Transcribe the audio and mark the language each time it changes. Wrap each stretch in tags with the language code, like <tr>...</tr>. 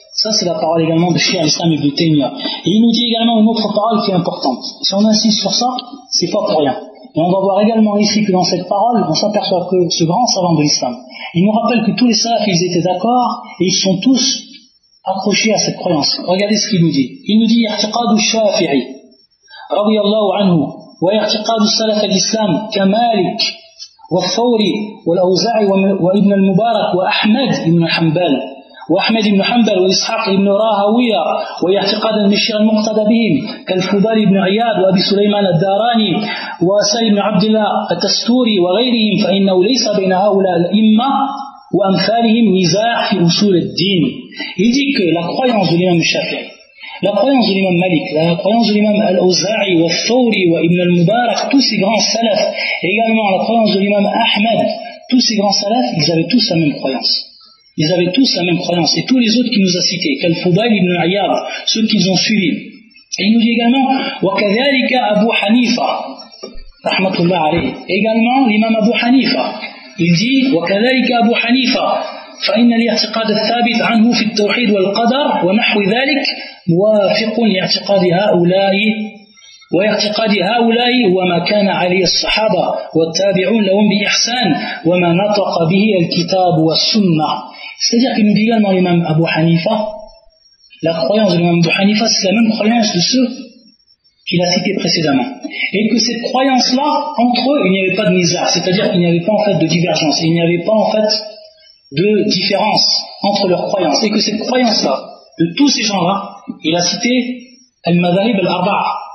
<fr>Ça c'est la parole également de Cheikh al-Islam Ibn Taymiyyah. Et il nous dit également une autre parole qui est importante. Si on insiste sur ça, c'est pas pour rien. Et on va voir également ici que dans cette parole, on s'aperçoit que ce grand savant de l'islam, il nous rappelle que tous les salafs ils étaient d'accord et ils sont tous accrochés à cette croyance. Regardez ce qu'il nous dit. Il nous dit</fr> <ar>Irtiqad al-Shafi'i رضي الله عنه واعتقاد السلف الإسلام كمالك والثوري والأوزاعي وابن المبارك وأحمد بن حنبل وأحمد بن حنبل وإسحاق بن راهوية واعتقاد المشير المقتدى بهم كالفضال بن عياد وأبي سليمان الداراني وسيد بن عبد الله التستوري وغيرهم فإنه ليس بين هؤلاء الأئمة وأمثالهم نزاع في أصول الدين.</ar> <fr>Il dit que la croyance de l'imam Shafi'i, la croyance de l'imam Malik, la croyance de l'imam Al-Auza'i, Al-Thawri, Ibn al-Mubarak, tous ces grands salafs, et également la croyance de l'imam Ahmed, tous ces grands salafs, ils avaient tous la même croyance. Ils avaient tous la même croyance. Et tous les autres qu'il nous a cités, Kalfubayl ibn al-Ayyad, ceux qu'ils ont suivis. Et il nous dit également,</fr> <ar>wa kadhalika Abu Hanifa, rahmatullah alayhi.</ar> <fr>Également, l'imam Abu Hanifa, il dit,</fr> <ar>wa kadhalika Abu Hanifa, فإن الاعتقاد الثابت عنه في التوحيد والقدر ونحو ذلك موافق لاعتقاد هؤلاء واعتقاد هؤلاء وما كان عليه الصحابة والتابعون لهم بإحسان وما نطق به الكتاب والسنة.</ar> <fr>C'est-à-dire qu'il nous dit également l'imam Abu Hanifa, la croyance de l'imam Abu Hanifa c'est la même croyance de ceux qu'il a cité précédemment. Et que cette croyance-là, entre eux, il n'y avait pas de nizar, c'est-à-dire qu'il n'y avait pas en fait de divergence, il n'y avait pas en fait de différence entre leurs croyances, et que cette croyance-là, de tous ces gens-là, il a cité</fr> <ar>al-madhahib al-arba'a.</ar>